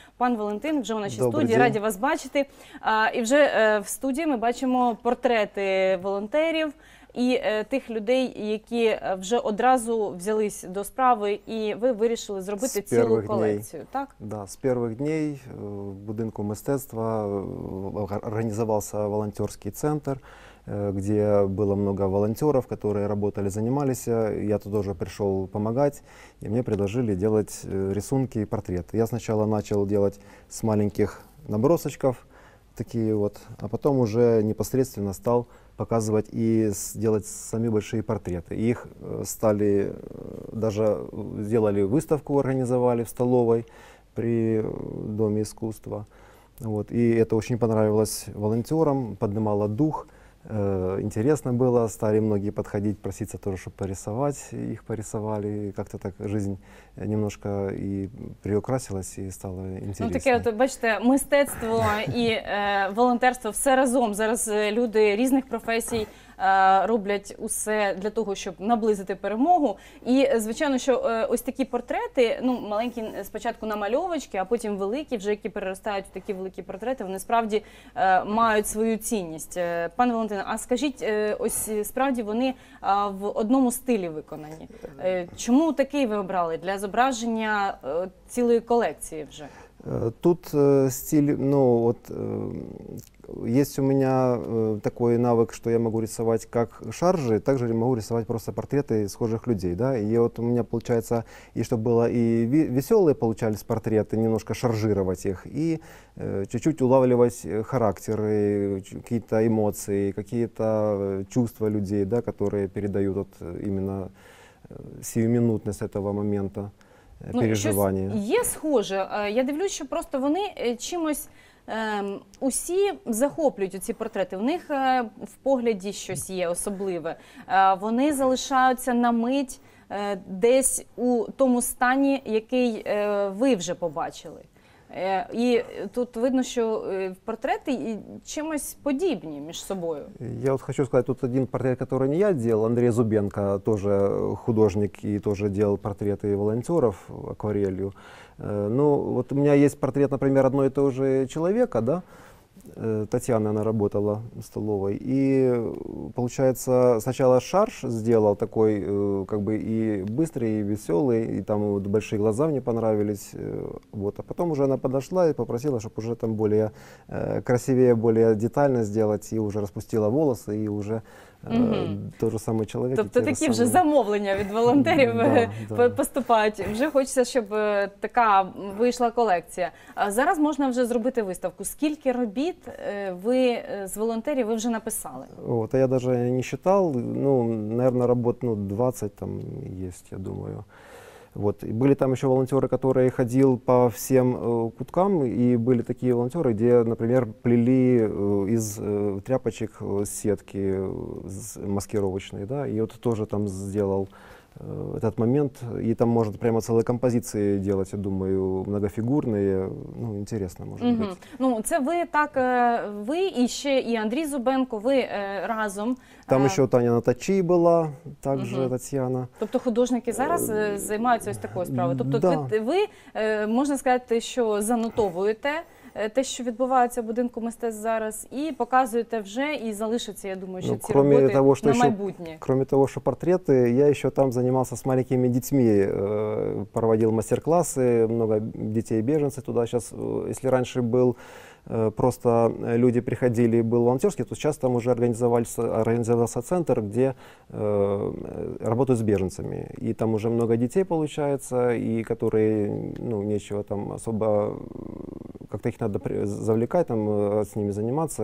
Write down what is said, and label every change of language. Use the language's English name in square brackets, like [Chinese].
[Ukrainian] Пан Валентин, вже у нашій студії, раді вас бачити. І вже в студії ми бачимо портрети волонтерів і тих людей, які вже одразу взялись до справи, і ви вирішили зробити цілу колекцію, так? Да, з перших днів в будинку мистецтва організувався волонтерський центр, [Russian] где было много волонтеров, которые работали, занимались. Я тут тоже пришел помогать, и мне предложили делать рисунки и портреты. Я сначала начал делать с маленьких набросочков, такие вот, а потом уже непосредственно стал показывать и делать сами большие портреты. Их стали, даже сделали выставку, организовали в столовой при Доме искусства. Вот. И это очень понравилось волонтерам, поднимало дух. Интересно было, стали многие подходить, проситься тоже, чтобы порисовать, их порисовали, как-то так жизнь немножко и приукрасилась, и стало интересно. [Ukrainian] Ну, таке, бачите, мистецтво и волонтерство все разом, зараз люди різних професій роблять усе для того, щоб наблизити перемогу. І, звичайно, що ось такі портрети, ну, маленькі спочатку намальовочки, а потім великі, вже які переростають у такі великі портрети, вони справді мають свою цінність. Пане Валентине, а скажіть, ось справді вони в одному стилі виконані. Чому такий ви обрали для зображення цілої колекції вже? Тут стиль, ну, от... [Russian] Есть у меня такой навык, что я могу рисовать как шаржи, также могу рисовать просто портреты схожих людей. Да? И вот у меня получается, и чтобы было и веселые получались портреты, немножко шаржировать их, и чуть-чуть улавливать характеры, какие-то эмоции, какие-то чувства людей, да, которые передают вот именно сиюминутность этого момента, переживания. [Ukrainian] Ну, є схоже. Я дивлюсь, що просто вони чимось... Усі захоплюють ці портрети, в них в погляді щось є особливе. Вони залишаються на мить десь у тому стані, який ви вже побачили. І тут видно, що портрети чимось подібні між собою. Я от хочу сказати, тут один портрет, який не я робив, Андрій Зубенко, теж художник і теж робив портрети волонтерів акварелью. [Russian] Ну, вот у меня есть портрет, например, одной и той же человека, да, Татьяна, она работала в столовой, и получается, сначала шарж сделал такой, как бы, и быстрый, и веселый, и там вот большие глаза мне понравились, вот, а потом уже она подошла и попросила, чтобы уже там более красивее, более детально сделать, и уже распустила волосы, и уже... [Ukrainian] Той же самий чоловік. Тобто такі вже замовлення від волонтерів поступають. Вже хочеться, щоб така вийшла колекція. Зараз можна вже зробити виставку. Скільки робіт ви з волонтерів ви вже написали? От, я навіть не вважав. Ну, мабуть, робіт 20 там є, я думаю. [Russian] Вот. Были там еще волонтеры, которые ходили по всем куткам, и были такие волонтеры, где, например, плели из тряпочек сетки маскировочные, да, и вот тоже там сделал этот момент, и там можно прямо целые композиции делать, я думаю, многофигурные, ну, интересно, может быть. [Ukrainian] Ну, це ви так, ви і ще і Андрій Зубенко, ви разом. [Russian] Там еще Таня Наточий была, также Татьяна. [Ukrainian] Тобто художники зараз займаються ось такою справою. Тобто ви, можна сказати, що занотовуєте те, що відбувається в будинку мистецтв зараз, і показуєте вже, і залишиться, я думаю, що ці роботи того, на майбутнє. Кроме того, що портрети, я ще там займався з маленькими дітьми, проводив мастер-класи, багато дітей-біженців туди. Зараз, якщо раніше був просто люди приходили, [Russian] был волонтерский, то сейчас там уже организовался центр, где работают с беженцами. И там уже много детей получается, и которые, ну, нечего там особо, как-то их надо завлекать, там, с ними заниматься.